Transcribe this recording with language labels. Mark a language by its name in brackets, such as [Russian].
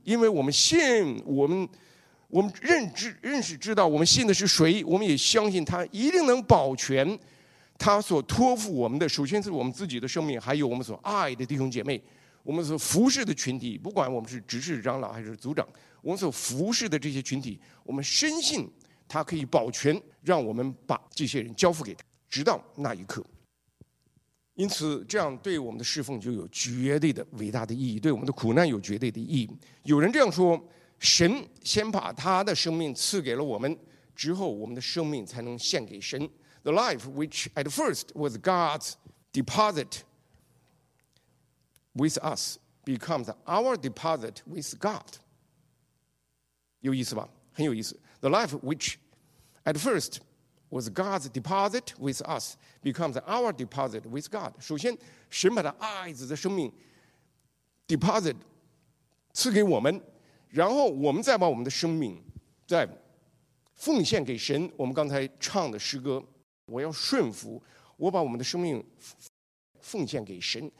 [Chinese] 因为我们信，我们认识知道我们信的是谁，我们也相信他一定能保全他所托付我们的，首先是我们自己的生命，还有我们所爱的弟兄姐妹，我们所服侍的群体，不管我们是执事长老还是组长，我们所服侍的这些群体，我们深信他可以保全，让我们把这些人交付给他，直到那一刻。因此，这样对我们的侍奉就有绝对的伟大的意义，对我们的苦难有绝对的意义。有人这样说，神先把他的生命赐给了我们，之后我们的生命才能献给神。 [English] The life which at first was God's deposit with us becomes our deposit with God. [Chinese] 有意思吧？很有意思。 [English] The life which at first was God's deposit with us becomes our deposit with God. [Chinese] 首先，神把他爱子的生命 deposit 赐给我们，然后我们再把我们的生命再奉献给神。我们刚才唱的诗歌，我要顺服，我把我们的生命奉献给神。